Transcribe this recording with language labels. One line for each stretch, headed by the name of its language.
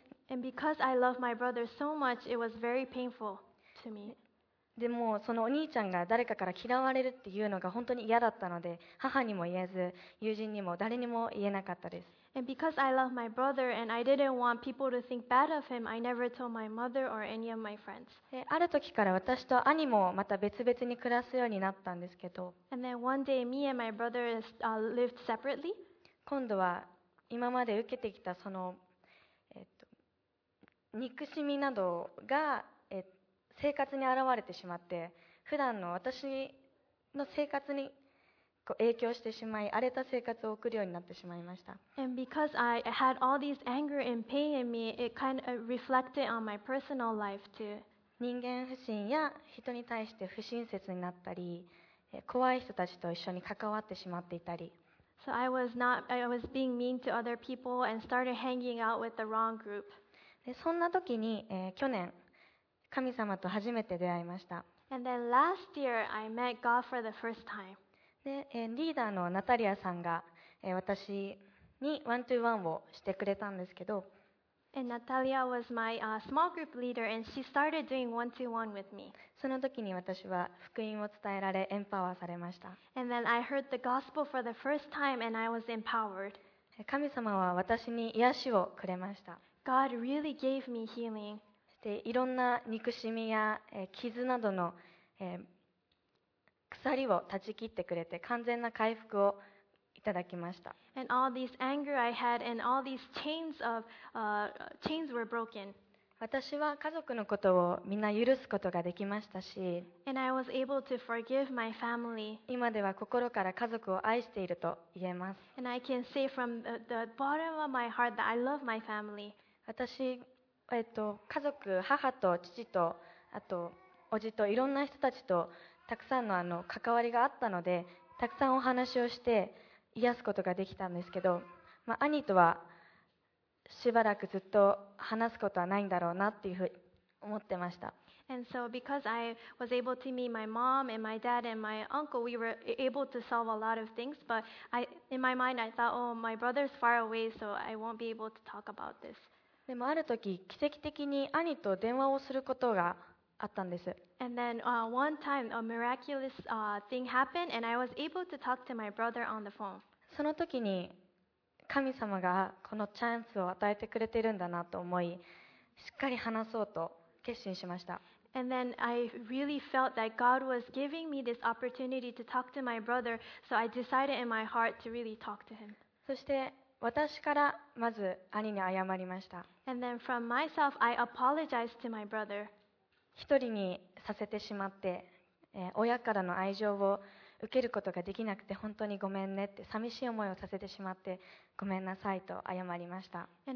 English: And because I love my brother so much, it was very painful to me.
Japanese: でもそのお兄ちゃんが誰かから嫌われるっていうのが本当に嫌だったので母にも言えず友人にも誰にも言えなかったです。
English: And because I love my brother and I didn't want people to think bad of him, I never told my mother or any of my friends.
Japanese: ある時から私と兄もまた別々に暮らすようになったんですけど。
English: And then one day me and my brother lived separately.
Japanese: 今度は今まで受けてきたその憎しみなどが生活に現れてしまって、普段の私の生活に影響してしまい、荒れた生活を送るようになってしまいました。
English: And because I had all these anger and pain in me, it kind of reflected on my personal life too.
Japanese: 人間不信や人に対して不親切になったり、怖い人たちと一緒に関わってしまっていたり。
English: So I was not, I was being mean to other people and started hanging out with the wrong group.
Japanese: で、そんな時に、去年、神様と初めて出会いました。
English: And then last year, I met God for the first time.
Japanese: で、リーダーのナタリアさんが、私にワントゥーワンをしてくれたんですけど、
English: And Natalia was my small group leader, and she started doing one-to-one with me.
Japanese: その時に私は福音を伝えられ、エンパワーされました。
English: And then I heard the gospel for the first time, and I was empowered.
Japanese: 神様は私に癒しをくれました。
English: God really gave me healing.
Japanese: で、いろんな憎しみや、傷などの、鎖を断ち切ってくれて、完全な回復をいただきました。
English: And all these anger I had and all these chains of chains were broken.
Japanese: 私は家族のことをみんな許すことができましたし、
English: And I was able to forgive my family.
Japanese: 今では心から家族を愛していると言えます。
English: And I can say from the bottom of my heart that I love my family.
Japanese: 私、家族、母と父と、あと、おじといろんな人たちとたくさんの関わりがあったので、たくさんお話をして、癒すことができたんですけど、まあ、兄とはしばらくずっと話すことはないんだろうなっていうふうに思ってました。
English: And so because I was able to meet my mom and my dad and my uncle, we were able to solve a lot of things. But I, in my mind, I thought, oh, my brother's far away, so I won't be able to talk about this.
Japanese: でもある時、奇跡的に兄と電話をすることがあったんです。
English: And then one time a miraculous thing happened and I was able to talk to my brother on the phone.
Japanese: その時に神様がこのチャンスを与えてくれているんだなと思い、しっかり話そうと決心しました。
English: And then I really felt that God was giving me this opportunity to talk to my brother, so I decided in my heart to really talk to him.
Japanese: そして私からまず兄に謝りました。
English: And then from myself I apologized to my brother.
Japanese: 一人にさせてしまって、親からの愛情を受けることができなくて本当にごめんねって、寂しい思いをさせてしまってごめんなさいと謝りました。